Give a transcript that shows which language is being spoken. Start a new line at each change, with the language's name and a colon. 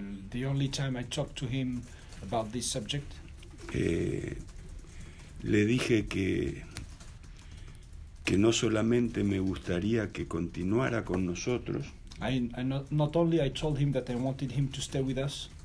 English: the only time I talked to him about this subject,
Spanish: le dije que no solamente me gustaría que continuara con nosotros.
English: Not only I told him that I wanted him to stay with us,